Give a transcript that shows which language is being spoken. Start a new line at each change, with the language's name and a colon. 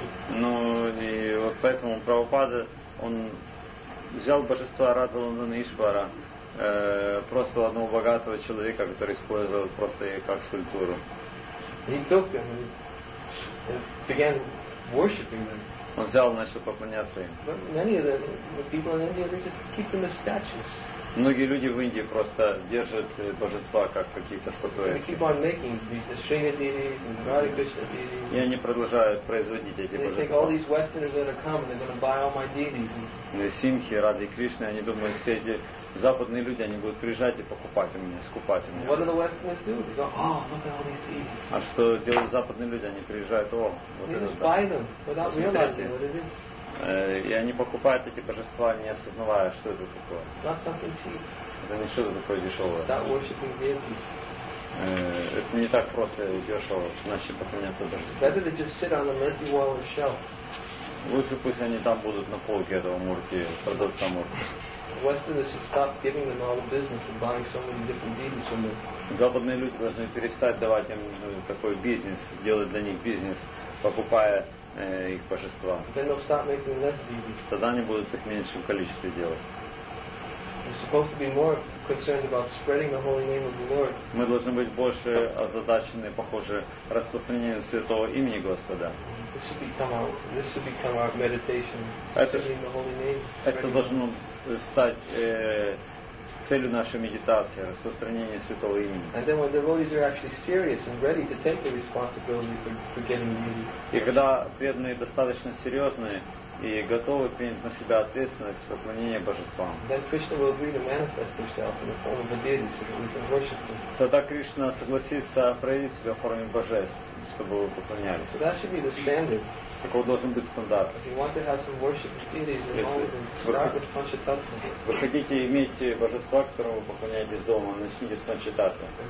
Russian: Ну и вот поэтому Прабхупада, он взял божество Радха Лондона Ишвара, просто одного богатого человека, который использовал просто ее как скульптуру.
English: He took them and began worshiping them.
Russian: Он взял и начал поклоняться им.
English: Many of the people in India, they just keep them as statues.
Russian: Многие люди в Индии просто держат божества как какие-то статуи.
English: They keep on making these Shringa deities and Radha Krishna deities.
Russian: И они продолжают производить эти божества.
English: They think all these Westerners are going to come and they're going to buy all my deities.
Russian: Симхи, Радха и Кришна, они думают, все эти западные люди, они будут приезжать и покупать у меня, скупать у меня.
English: What do the Westerners do? They go, oh, look at all these deities.
Russian: А что делают западные люди? Они приезжают, о, вот
English: это. They just buy them without realizing what it is.
Russian: И они покупают эти божества, не осознавая, что это такое. Это не что-то такое дешевое. Это не так просто и дешево, иначе поменяться божества. Лучше пусть они там будут на полке этого Мурти, продавца Мурти.
English: Westerners should stop giving them all the business of buying so many different deities from them.
Russian: Западные люди должны перестать давать им такой бизнес, делать для них бизнес, покупая их божества.
English: Then they'll start making less deities.
Russian: Тогда они будут их меньшим количеством делать.
English: We're supposed to be more concerned about spreading the holy name of the Lord.
Russian: Мы должны быть больше озадачены, похоже, распространением святого имени Господа.
English: This should become our meditation, spreading the holy name.
Russian: Это должно стать целью нашей медитации, распространение святого имени.
English: And then when devotees are actually serious and ready to take the responsibility for getting deities.
Russian: И когда преданные достаточно серьезные и готовы принять на себя ответственность поклонения божествам.
English: Then Krishna will agree to manifest himself in the form of a deity so that we can worship him.
Russian: Тогда Кришна согласится проявить себя в форме божеств, чтобы вы поклонялись.
English: So that should be the standard.
Russian: Такого должен быть стандарт. Вы хотите иметь божества, которого вы поклоняетесь дома, начните с панчататвы.